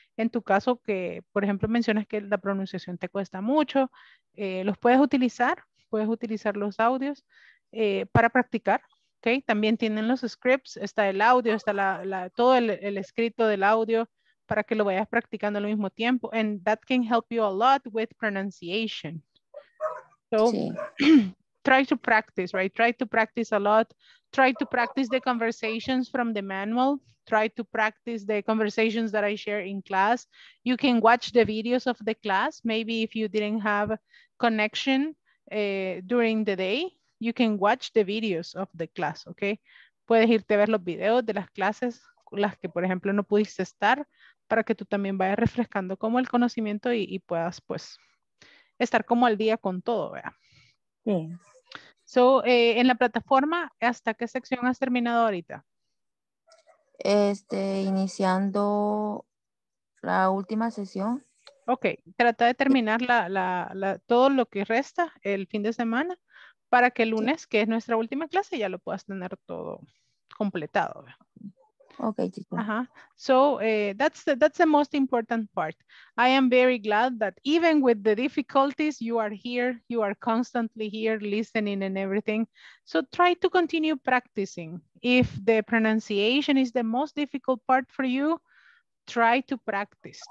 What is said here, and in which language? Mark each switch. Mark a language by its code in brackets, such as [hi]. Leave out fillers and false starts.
[es] En tu caso, que por ejemplo mencionas que la pronunciación te cuesta mucho, los puedes utilizar los audios para practicar, ¿okay? También tienen los scripts, está el audio, está todo el escrito del audio, para que lo vayas practicando al mismo tiempo. [en] And that can help you a lot with pronunciation. So, sí. Try to practice, right? Try to practice a lot. Try to practice the conversations from the manual. Try to practice the conversations that I share in class. You can watch the videos of the class. Maybe if you didn't have connection during the day, you can watch the videos of the class, okay? [es] Puedes irte a ver los videos de las clases, las que, por ejemplo, no pudiste estar, para que tú también vayas refrescando como el conocimiento y puedas pues estar como al día con todo, ¿verdad? Sí. So, en la plataforma, ¿hasta qué sección has terminado ahorita? Iniciando la última sesión. Ok, trata de terminar todo lo que resta el fin de semana para que el lunes, que es nuestra última clase, ya lo puedas tener todo completado, ¿verdad? Okay, chicos. [en] Uh-huh. So that's the most important part. I am very glad that even with the difficulties, you are here. You are constantly here listening and everything. So try to continue practicing. If the pronunciation is the most difficult part for you, try to practice.